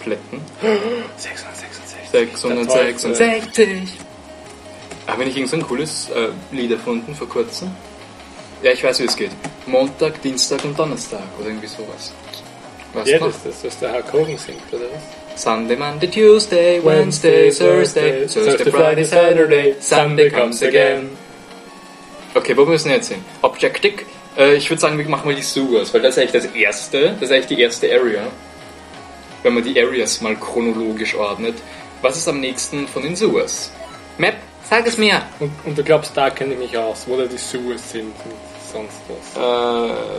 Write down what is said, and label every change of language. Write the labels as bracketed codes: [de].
[de] Plätten? 666. Habe ich irgend so ein cooles Lied erfunden vor kurzem? Ja, ich weiß, wie es geht. Montag, Dienstag und Donnerstag oder irgendwie sowas. Was ja, noch? Das ist das, was der Hulk Hogan singt, oder was? [en] Sunday, Monday, Tuesday, Wednesday, Thursday, Friday, Saturday, Sunday comes again. [de] Okay, wo müssen wir jetzt hin? Objectic? Ich würde sagen, wir machen mal die Sugars, weil das ist eigentlich die erste Area. Wenn man die Areas mal chronologisch ordnet. Was ist am nächsten von den Sugars? Map, sag es mir! Und du glaubst, da kenne ich mich aus, wo da die Sugars sind und sonst was.